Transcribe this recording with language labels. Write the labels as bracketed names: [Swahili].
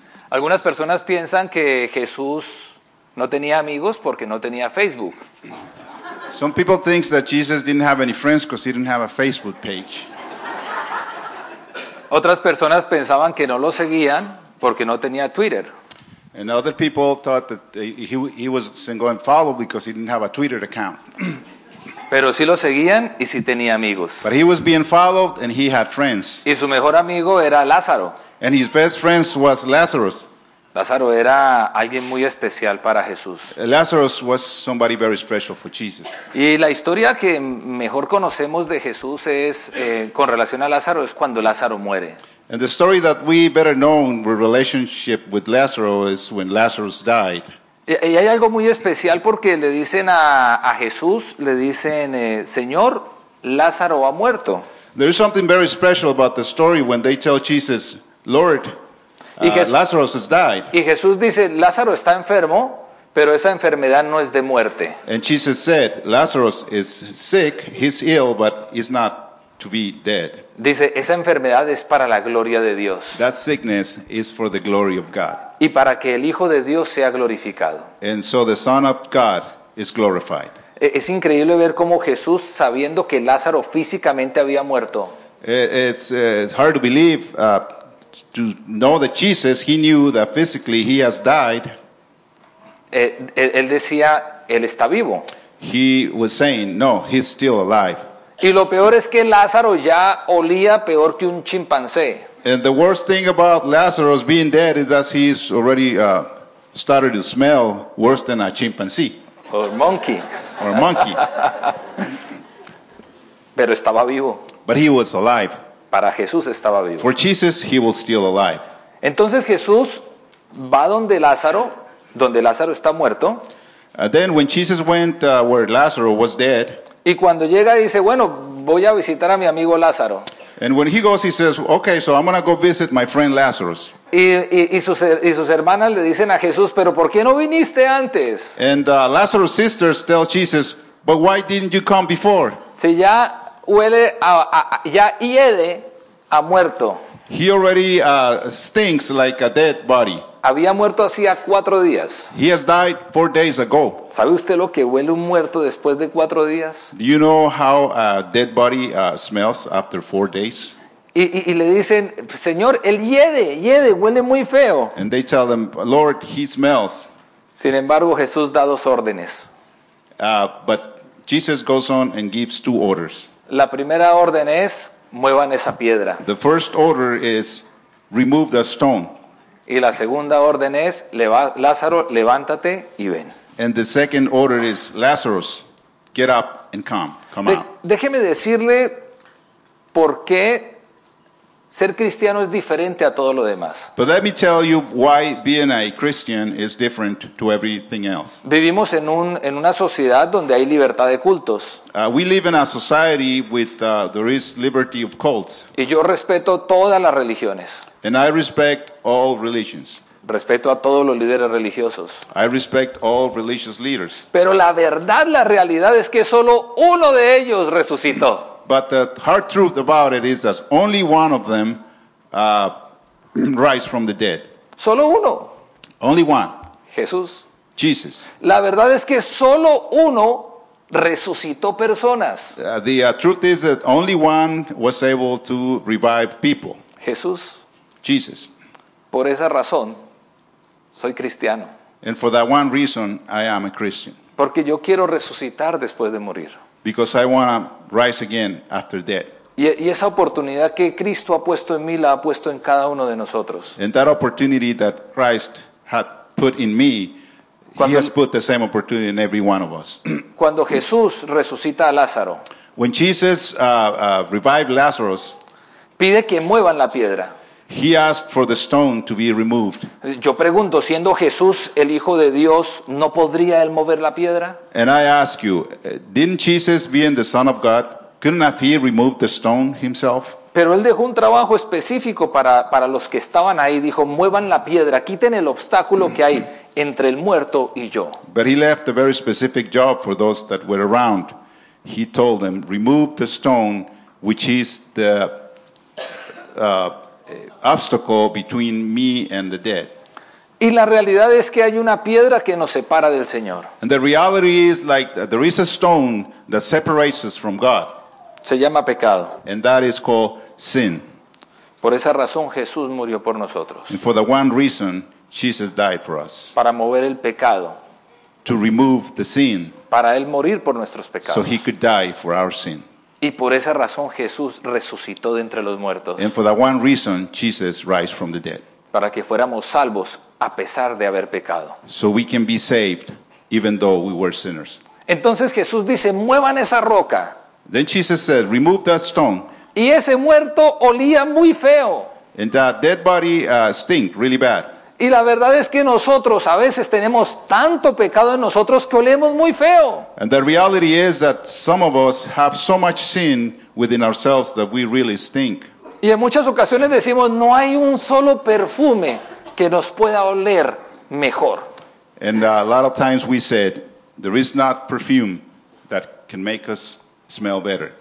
[Spanish] Algunas personas piensan que Jesús no tenía amigos porque no tenía Facebook. [English] Some people think that Jesus didn't have any friends because he didn't have a Facebook page. [Spanish] Otras personas pensaban que no lo seguían porque no tenía Twitter. [English] And other people thought that he wasn't going to follow because he didn't have a Twitter account. [Spanish] Pero sí lo seguían y sí tenía amigos. [English] But he was being followed and he had friends. [Spanish] Y su mejor amigo era Lázaro. [English] And his best friend was Lazarus. [Spanish] Lázaro era alguien muy especial para Jesús. [English] Lazarus was somebody very special for Jesus. [Spanish] Y la historia que mejor conocemos de Jesús es con relación a Lázaro es cuando Lázaro muere. [English] And the story that we better know in relationship with Lazarus is when Lazarus died. [Spanish] Y hay algo muy especial porque le dicen a Jesús, le dicen, Señor, Lázaro ha muerto. [English] There is something very special about the story when they tell Jesus, Lord, Lazarus has died. [Spanish] Y Jesús dice, Lázaro está enfermo, pero esa enfermedad no es de muerte. [English] And Jesus said, Lazarus is sick, he's ill, but he's not to be dead. [Spanish] Dice, esa enfermedad es para la gloria de Dios. [English] That sickness is for the glory of God. [Spanish] Y para que el Hijo de Dios sea glorificado. [English] And so the Son of God is glorified. [Spanish] Es increíble ver cómo Jesús, sabiendo que Lázaro físicamente había muerto. [English] It's hard to believe, to know that Jesus, he knew that physically he has died. [Spanish] Él decía, él está vivo. [English] He was saying, no, he's still alive. [Spanish] Y lo peor es que Lázaro ya olía peor que un chimpancé. [English] And the worst thing about Lazarus being dead is that he's already started to smell worse than a chimpanzee. Or monkey. Or monkey. [Spanish] Pero estaba vivo. [English] But he was alive. [Spanish] Para Jesús estaba vivo. [English] For Jesus, he was still alive. [Spanish] Entonces Jesús va donde Lázaro está muerto. [English] Then when Jesus went where Lazarus was dead. [Spanish] Y cuando llega dice, bueno, voy a visitar a mi amigo Lázaro. [English] And when he goes, he says, okay, so I'm going to go visit my friend Lazarus. [Spanish] Y sus hermanas le dicen a Jesús, pero ¿por qué no viniste antes? [English] And Lazarus' sisters tell Jesus, but why didn't you come before? [Spanish] Si ya huele, ya hiede a muerto. [English] He already stinks like a dead body. [Spanish] Había muerto hacía 4 días. [English] He has died 4 days ago. [Spanish] ¿Sabe usted lo que huele un muerto después de 4 días? [English] Do you know how a dead body smells after 4 days? [Spanish] Y le dicen, Señor, él hiede, huele muy feo. [English] And they tell him, Lord, he smells. [Spanish] Sin embargo, Jesús da 2 órdenes. [English] But Jesus goes on and gives 2 orders. [Spanish] La primera orden es, muevan esa piedra. [English] The first order is, remove the stone. [Spanish] Y la segunda orden es, Lázaro, levántate y ven. [English] And the second order is, Lazarus, get up and come out. [Spanish] Déjeme decirle por qué ser cristiano es diferente a todo lo demás. [English] But let me tell you why being a Christian is different to everything else. [Spanish] Vivimos en una sociedad donde hay libertad de cultos. [English] We live in a society with there is liberty of cults. [Spanish] Y yo respeto todas las religiones. [English] And I respect all religions. [Spanish] Respeto a todos los líderes religiosos. [English] I respect all religious leaders. [Spanish] Pero la verdad, la realidad es que solo uno de ellos resucitó. [English] But the hard truth about it is that only one of them rise from the dead. [Spanish] Solo uno. [English] Only one. [Spanish] Jesús. [English] Jesus. [Spanish] La verdad es que solo uno resucitó personas. [English] The truth is that only one was able to revive people. [Spanish] Jesús. [English] Jesus. [Spanish] Por esa razón, soy cristiano. [English] And for that one reason, I am a Christian. [Spanish] Porque yo quiero resucitar después de morir. [English] Because I want to rise again after death. [Spanish] Y esa oportunidad que Cristo ha puesto en mí, la ha puesto en cada uno de nosotros. [English] And that opportunity that Christ had put in me, [Spanish] cuando, [English] he has put the same opportunity in every one of us. [Spanish] Cuando Jesús resucita a Lázaro, [English] when Jesus revived Lazarus, [Spanish] pide que muevan la piedra. [English] He asked for the stone to be removed. [Spanish] Yo pregunto, siendo Jesús el Hijo de Dios, ¿no podría él mover la piedra? [English] And I ask you, didn't Jesus, being the Son of God, couldn't he remove the stone himself? [Spanish] Pero él dejó un trabajo específico para los que estaban ahí. Dijo, muevan la piedra, quiten el obstáculo que hay entre el muerto y yo. [English] But he left a very specific job for those that were around. He told them, remove the stone, which is the obstacle between me and the dead. [Spanish] Y la realidad es que hay una piedra que nos separa del Señor. [English] And the reality is like there is a stone that separates us from God. [Spanish] Se llama pecado. [English] And that is called sin. [Spanish] Por esa razón Jesús murió por nosotros. [English] And for the one reason Jesus died for us. [Spanish] Para mover el pecado. [English] To remove the sin. [Spanish] Para él morir por nuestros pecados. [English] So he could die for our sin. [Spanish] Y por esa razón Jesús resucitó de entre los muertos. [English] And for that one reason, Jesus rose from the dead. [Spanish] Para que fuéramos salvos a pesar de haber pecado. [English] So we can be saved even though we were sinners. [Spanish] Entonces Jesús dice, muevan esa roca. [English] Then Jesus said, remove that stone. [Spanish] Y ese muerto olía muy feo. [English] And that dead body stink really bad. [Spanish] Y la verdad es que nosotros a veces tenemos tanto pecado en nosotros que olemos muy feo. [English] And the reality is that some of us have so much sin within ourselves that we really stink. [Spanish] Y en muchas ocasiones decimos, no hay un solo perfume que nos pueda oler mejor. [English] And a lot of times we said, there is not perfume that can make us smell better.